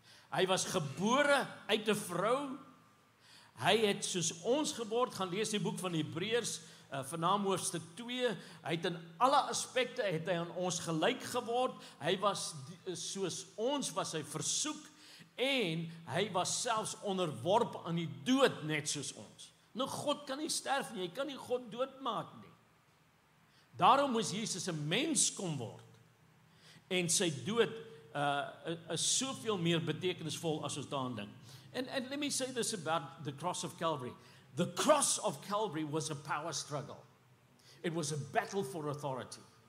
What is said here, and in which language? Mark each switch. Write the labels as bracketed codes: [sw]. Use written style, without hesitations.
[af] Hy was gebore uit 'n vrou, hy het soos ons geword, gaan lees die boek van Hebreërs, vanaam hoofstuk 2, hy het in alle aspekte, het hy aan ons gelyk geword, hy was soos ons, was hy versoek, en hy was selfs onderworp aan die dood, net soos ons. Nou, God kan nie sterf nie, hy kan nie God doodmaak nie. Daarom moes Jesus een mens kom word, en sy dood is soveel meer betekenisvol as ons daaraan dink. [en] And let me say this about the cross of Calvary. The cross of Calvary was a power struggle. It was a battle for authority.